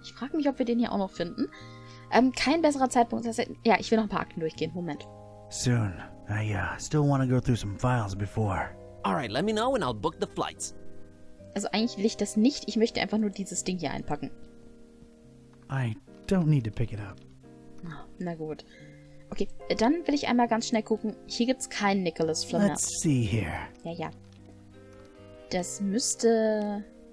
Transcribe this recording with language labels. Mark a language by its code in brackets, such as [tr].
[de] Ich frage mich, ob wir den hier auch noch finden. Kein besserer Zeitpunkt. Ja, ich will noch ein paar Akten durchgehen. Moment. [en] Soon. I still want to go through some files before. Alright, let me know and I'll book the flights. [de] Also eigentlich will ich das nicht. Ich möchte einfach nur dieses Ding hier einpacken. [en] I don't need to pick it up. [de] Na gut. Okay, dann will ich einmal ganz schnell gucken. Hier gibt's keinen Nicolas Flamel. [en] Let's see here. [de] Ja, ja. Das müsste...